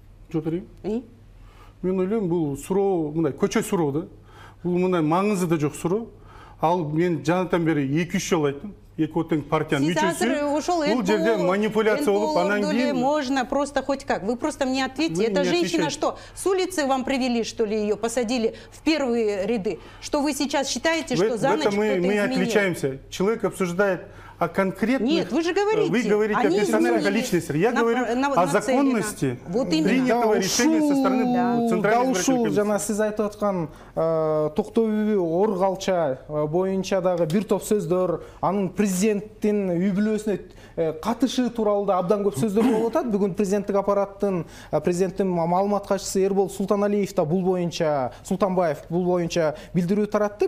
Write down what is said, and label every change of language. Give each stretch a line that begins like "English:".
Kyrgyz: Жок эле. Мен ойлойм, бул суроо мындай көчө суроо да. Бул мындай маңызы да жок суроо. Ал мен жанатан бери 2-3 жыл айттым. Эки оттенк партиянын мүчөсү. Сиз азыр ошол бул жерде манипуляция болуп анан кийин
Russian: можно просто хоть как. Вы просто мне ответьте. Эта женщина что, с улицы вам привели, что ли, ее посадили в первые ряды? Что вы сейчас считаете, что за ночь кто-то изменил? Мы отличаемся. Человек обсуждает о конкретных... Нет, вы же говорите. Вы говорите о персональных личностях. Я говорю о законности принятого решения со стороны Центральной избирательной комиссии.
Kyrgyz: Токтобүбү ор калча боюнча дагы бир топ сөздөр анын президенттин үй бүлөсүнө катышы тууралуу да абдан көп сөздөр болуп атат. Бүгүн президенттик аппараттын президенттин маалымат катчысы Эрбол Султаналиев да бул боюнча Султанбаев бул боюнча билдирүү таратты.